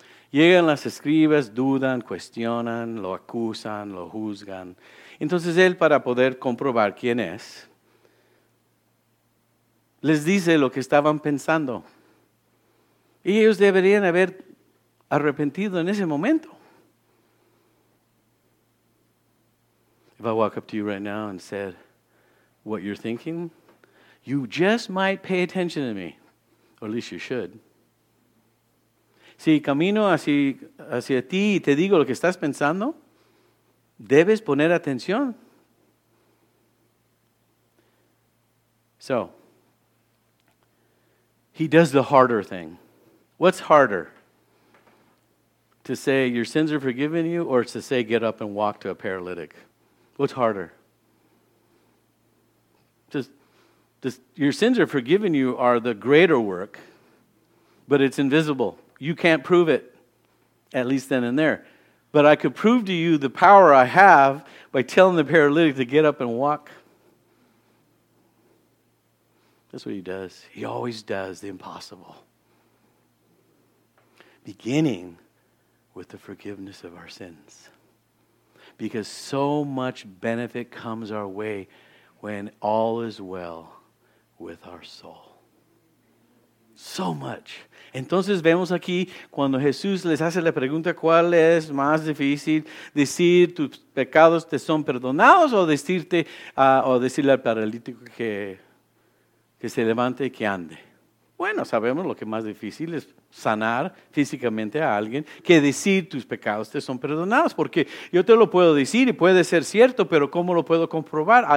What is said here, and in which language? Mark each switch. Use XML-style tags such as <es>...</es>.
<es>Llegan las escribas, dudan, cuestionan, lo acusan, lo juzgan. Entonces él, para poder comprobar quién es, les dice lo que estaban pensando. Y ellos deberían haber arrepentido en ese momento.</es> <en>If I walk up to you right now and said what you're thinking, you just might pay attention to me, or at least you should.</en> <es>Si camino hacia ti y te digo lo que estás pensando, debes poner atención.</es> <en>So, he does the harder thing. What's harder? To say your sins are forgiven you, or to say get up and walk to a paralytic? What's harder? Just your sins are forgiven you are the greater work, but it's invisible. You can't prove it, at least then and there. But I could prove to you the power I have by telling the paralytic to get up and walk. That's what he does. He always does the impossible. Beginning with the forgiveness of our sins. Because so much benefit comes our way when all is well with our soul. So much.</en> <es>Entonces vemos aquí cuando Jesús les hace la pregunta, ¿cuál es más difícil, decir tus pecados te son perdonados o decirte o decirle al paralítico que se levante y que ande? Bueno, sabemos lo que más difícil es sanar físicamente a alguien que decir tus pecados te son perdonados, porque yo te lo puedo decir y puede ser cierto, pero ¿cómo lo puedo comprobar?</es>